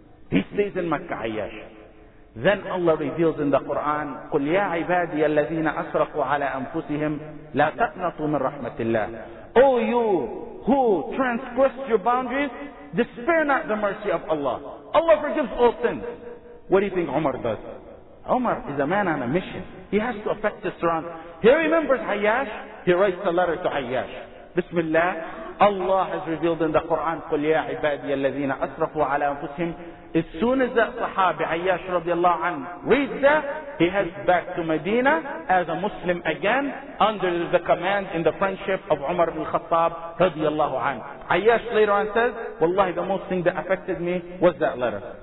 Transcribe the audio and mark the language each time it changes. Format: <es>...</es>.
<en>He stays in Mecca, Ayyash. Then Allah reveals in the Quran,</en> <ar>قُلْ يَا عِبَادِيَ الَّذِينَ أَسْرَقُوا عَلَىٰ أَنفُسِهِمْ لَا تَقْنَطُوا مِنْ رَحْمَةِ اللَّهِ</ar> <en>O you who transgressed your boundaries, despair not the mercy of Allah. Allah forgives all sins. What do you think Umar does? Umar is a man on a mission. He has to affect the surroundings. He remembers Ayyash. He writes a letter to Ayyash. Bismillah. Allah has revealed in the Quran,</en> <ar>قُلْ يَا عِبَادِيَ الَّذِينَ أَسْرَفُوا عَلَىٰ أَنفُسِهِمْ.</ar> <en>As soon as that Sahabi, Ayyash radiallahu anhu, reads that, he heads back to Medina as a Muslim again, under the command in the friendship of Umar ibn Khattab radiallahu anhu. Ayyash later on says, wallahi, the most thing that affected me was that letter.</en>